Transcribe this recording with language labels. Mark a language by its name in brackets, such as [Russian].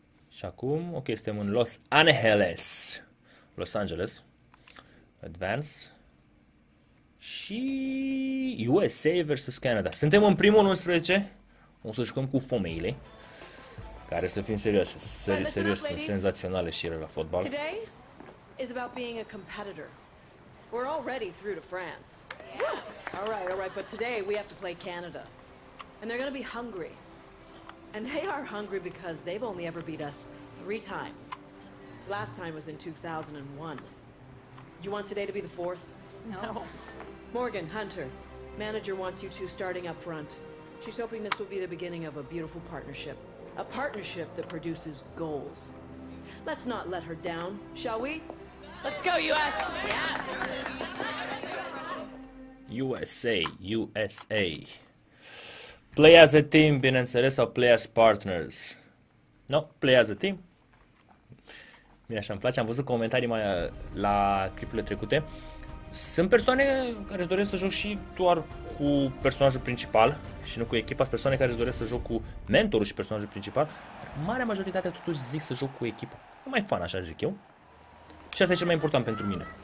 [Romanian] Și acum, ok, suntem în Los Angeles. Los Angeles. Advance. Și USA vs Canada. Suntem în primul 11. O să jucăm cu femeile, care să fim serioase, serios, sunt senzaționale și ele la fotbal. [English] Today is about being a competitor. We're already through to France. Yeah. All right, but today we have to play Canada. And they're going to be hungry. And they are hungry because they've only ever beat us 3 times. Last time was in 2001. You want today to be the fourth? No. Morgan, Hunter, manager wants you two starting up front. She's hoping this will be the beginning of a beautiful partnership. A partnership that produces goals. Let's not let her down, shall we? Let's go, US! Yeah! USA. Play as a team, [Romanian] bineînțeles, sau [English] play as partners? No, play as a team. [Romanian] Mie așa îmi place, am văzut comentarii mai la clipurile trecute. Sunt persoane care își doresc să joc și doar cu personajul principal și nu cu echipa. Sunt persoane care își doresc să joc cu mentorul și personajul principal. Dar marea majoritate totuși zic să joc cu echipa. E mai fun, așa zic eu. Și asta e cel mai important pentru mine.